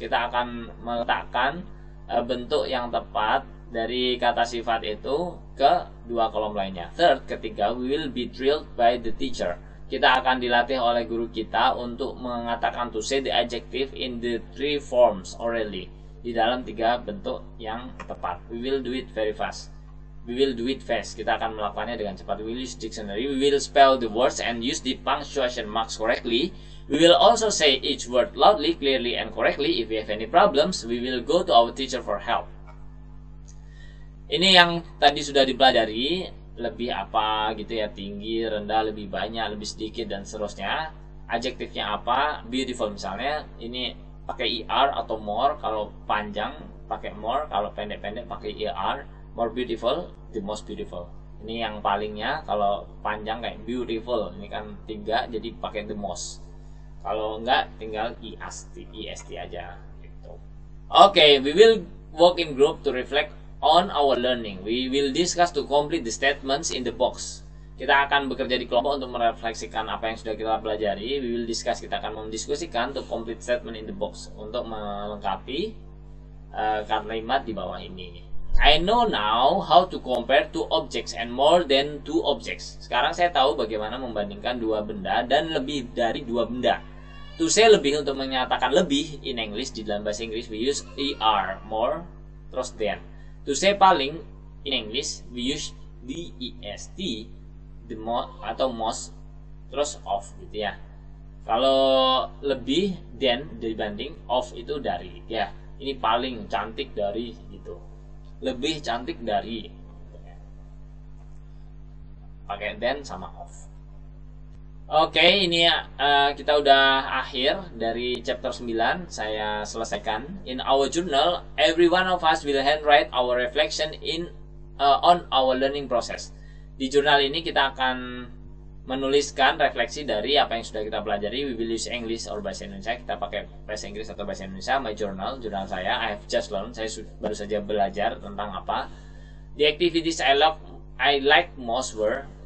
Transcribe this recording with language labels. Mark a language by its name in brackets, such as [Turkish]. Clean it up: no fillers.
[Indonesian] Kita akan meletakkan bentuk yang tepat dari kata sifat itu ke dua kolom lainnya. [English] Third, [Indonesian] ketiga, [English] we will be drilled by the teacher. [Indonesian] Kita akan dilatih oleh guru kita untuk mengatakan [English] to say the adjective in the three forms orally, [Indonesian] di dalam tiga bentuk yang tepat. [English] We will do it very fast. We will do it fast. [Indonesian] Kita akan melakukannya dengan cepat. [English] We will use dictionary. We will spell the words and use the punctuation marks correctly. We will also say each word loudly, clearly, and correctly. If we have any problems, we will go to our teacher for help. [Indonesian] Ini yang tadi sudah dipelajari, lebih apa gitu ya, tinggi, rendah, lebih banyak, lebih sedikit, dan seterusnya. Adjektifnya apa, beautiful misalnya, ini pakai er atau more, kalau panjang pakai more, kalau pendek-pendek pakai er, [English] more beautiful, the most beautiful. [Indonesian] Ini yang palingnya, kalau panjang kayak beautiful, ini kan 3, jadi pakai the most. Kalau enggak, tinggal EST aja gitu. [English] Okay, we will work in group to reflect on our learning. We will discuss to complete the statements in the box. [Indonesian] Kita akan bekerja di kelompok untuk merefleksikan apa yang sudah kita pelajari. [English] We will discuss, [Indonesian] kita akan mendiskusikan [English] to complete statement in the box [Indonesian] untuk melengkapi kalimat di bawah ini. [English] I know now how to compare two objects and more than two objects. [Indonesian] Sekarang saya tahu bagaimana membandingkan dua benda dan lebih dari dua benda. To say lebih, untuk menyatakan lebih [English] in English, [Indonesian] di dalam bahasa Inggris [English] we use er, more, [Indonesian] terus than. [English] To say paling in English we use dest, the most atau most, terus of gitu ya. [Indonesian] Kalau lebih than dibanding, of itu dari ya. Ini paling cantik dari gitu. Lebih cantik dari, pakai then sama off. Okay, ini kita udah akhir dari chapter 9. Saya selesaikan. [English] In our journal, every one of us will handwrite our reflection in on our learning process. [Indonesian] Di jurnal ini kita akan menuliskan refleksi dari apa yang sudah kita pelajari. [English] We will use English or bahasa Indonesia. [Indonesian] Kita pakai bahasa Inggris atau bahasa Indonesia. [English] My journal, [Indonesian] jurnal saya. [English] I have just learned. [Indonesian] Saya baru saja belajar tentang apa. [English] The activities I like most were.